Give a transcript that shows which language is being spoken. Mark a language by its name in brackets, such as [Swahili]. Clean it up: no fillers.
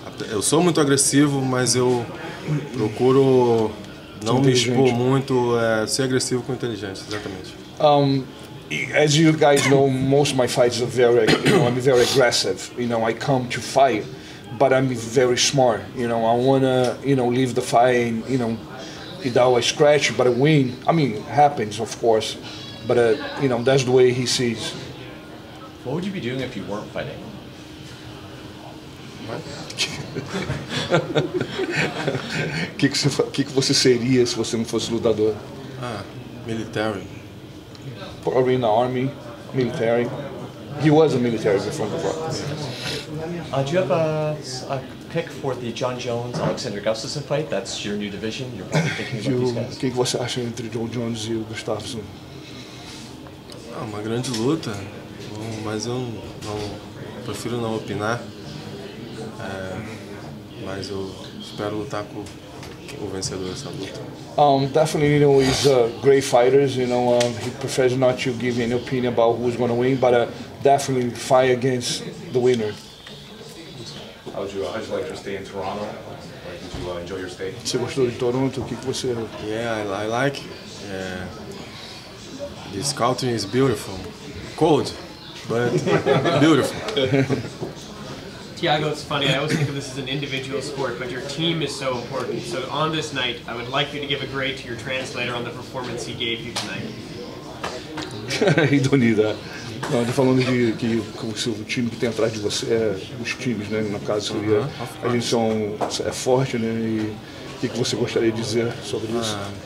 [Portuguese] Eu sou muito agressivo, mas eu procuro não me expor muito, ser agressivo com inteligência, exatamente. [English] as you guys know, most of my fights are very, you know, I'm very aggressive. You know, I come to fight, but I'm very smart. You know, I want to, you know, leave the fight and, you know, without a scratch, but a win. I mean, it happens, of course, but, you know, that's the way he sees. What would you be doing if you weren't fighting? [Portuguese] Que você seria se você não fosse lutador? [English] Ah, military. Probably in the army, military. He was a military before. Do you have a pick for the John Jones Alexander Gustafsson fight? That's your new division. You're probably thinking about these guys. [Portuguese] Que você acha entre John Jones e Gustafsson? Ah, uma grande luta. Mas eu não prefiro não opinar. Mas eu espero lutar com o vencedor dessa luta. [English] Definitely, you know, he's a great fighter. You know, he prefers not to give any opinion about who's going to win, but definitely fight against the winner. How'd you like your stay in Toronto? Like, did you enjoy your stay? [Portuguese] Você gostou de Toronto? O que você? [English] Yeah, I like. Yeah. The scouting is beautiful. Cold, but beautiful. Thiago, it's funny, I always think of this as an individual sport, but your team is so important. So on this night, I would like you to give a grade to your translator on the performance he gave you tonight. He don't need that. [Portuguese] Não, tô falando de que o time que tem atrás de você é os times, né? No caso, seria, a gente é forte, né? E o que você gostaria de dizer sobre isso?